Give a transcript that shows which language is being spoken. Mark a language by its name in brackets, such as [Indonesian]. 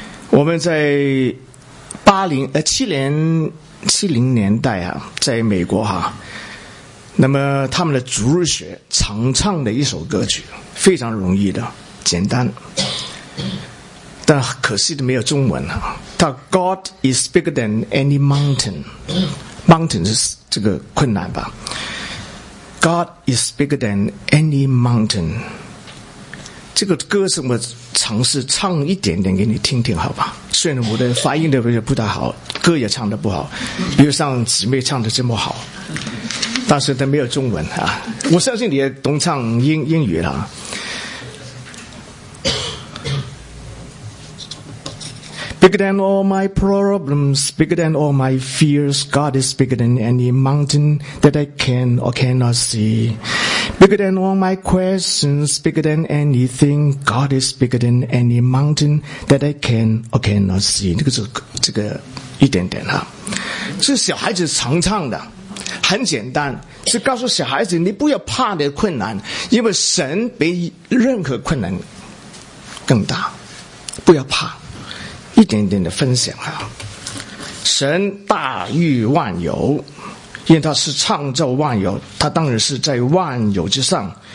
[Chinese] 我们在七零年代啊，在美国哈、啊，那么他们的主日学常唱的一首歌曲，非常容易的、简单，但可惜的没有中文哈、啊。它 [English] God is bigger than any mountain， [Chinese] mountain 是这个困难吧 ？God is bigger than any mountain。这个歌什么尝试唱一点点给你听听好吧，虽然我的发音的不太好，歌也唱的不好，比如像姊妹唱的这么好，但是它没有中文啊。我相信你也懂唱英语了。 [English] Bigger than all my problems, bigger than all my fears, God is bigger than any mountain that I can or cannot see. Bigger than all my questions, bigger than anything, God is bigger than any mountain that I can or cannot see. [Chinese] 这个一点点哈，是小孩子常唱的，很简单，是告诉小孩子你不要怕你的困难，因为神比任何困难更大，不要怕。一点点的分享啊，神大于万有，因为他是创造万有，他当然是在万有之上。